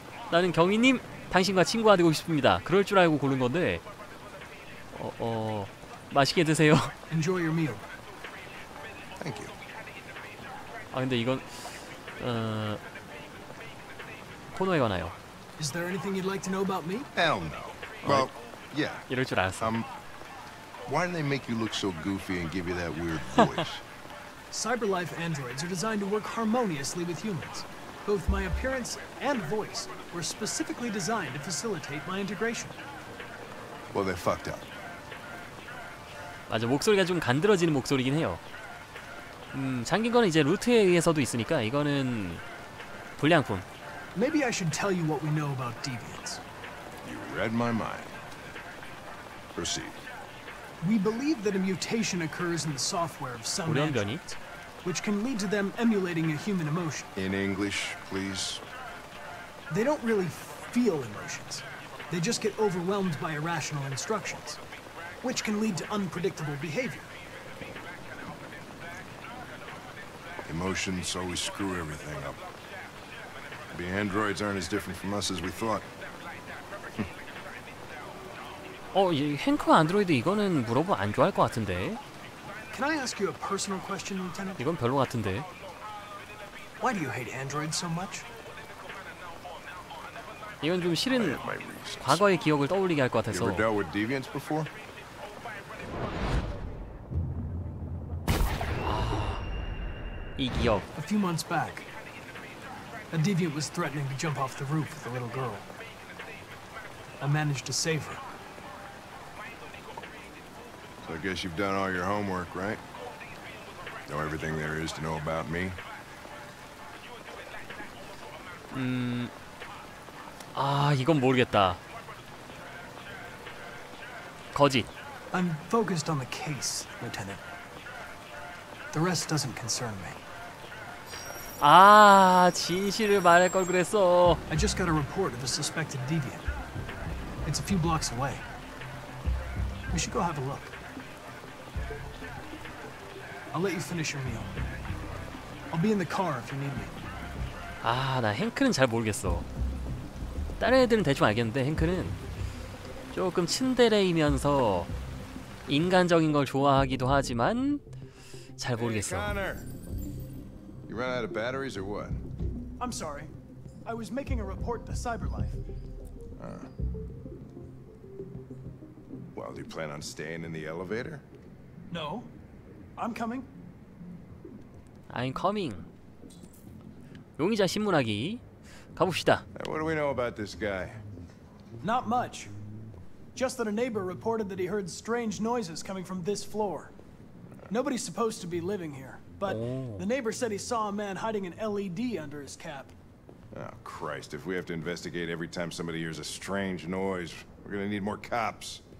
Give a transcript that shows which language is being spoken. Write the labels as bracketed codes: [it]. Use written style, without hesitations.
[ko] 나는 경위님, 당신과 친구가 되고 싶습니다. 그럴 줄 알고 고른 건데. 맛있게 드세요. [en] Enjoy your meal. Thank you. [ko] 아, 근데 이건 코너에 관하여. [en] Is there anything you'd like to know about me? Hell no. Well, yeah. [ko] 이럴 줄 알았어. [en] Why do they make you look so goofy and give you that weird voice? Cyberlife androids are designed to work harmoniously with humans. Both my appearance and voice were specifically designed to facilitate my integration. Well, they fucked up. [ko] 맞아, 목소리가 좀 간드러지는 목소리긴 해요. 잠긴 거는 이제 루트에 의해서도 있으니까 이거는 불량품. [en] Maybe I should tell you what we know about deviants. You read my mind. Proceed. We believe that a mutation occurs in the software of some android, which can lead to them emulating a human emotion. In English, please. They don't really feel emotions. They just get overwhelmed by irrational instructions, which can lead to unpredictable behavior. Emotions always screw everything up. The androids aren't as different from us as we thought. [ko] 어, 이 헨크 안드로이드 이거는 물어보 안 좋아할 것 같은데. [en] Can I ask you a personal question, Lieutenant? [ko] 이건 별로 같은데. [en] Why do you hate androids so much? [ko] 이건 좀 싫은 과거의 기억을 떠올리게 할 것 같아서. [en] You ever dealt with deviants before? [ko] 아, 이 기억. [en] A few months back, a deviant was threatening to jump off the roof with a little girl. I managed to save her. So I guess you've done all your homework, right? Know everything there is to know about me. [ko] 아, 이건 모르겠다. 거짓. [en] I'm focused on the case, Lieutenant. The rest doesn't concern me. [ko] 아, 진실을 말할 걸 그랬어. [en] I just got a report of a suspected deviant. It's a few blocks away. We should go have a look. I'll let you finish your meal. I'll be in the car if you need me. [ko] 아, 나 헨크는 잘 모르겠어. 다른 애들은 대충 알겠는데 헨크는 조금 츤데레이면서 인간적인 걸 좋아하기도 하지만 잘 모르겠어. [en] Hey, Connor. You run out of batteries or what? I'm sorry. I was making a report to Cyberlife. Well, do you plan on staying in the elevator? No. I'm coming. I'm coming. [ko] 용의자 신문하기 가봅시다. [en] What do we know about this guy? Not much. Just that a neighbor reported that he heard strange noises coming from this floor. Nobody's supposed to be living here, but the neighbor said he saw a man hiding an LED under his cap. Oh Christ! If we have to investigate every time somebody hears a strange noise, we're gonna need more cops.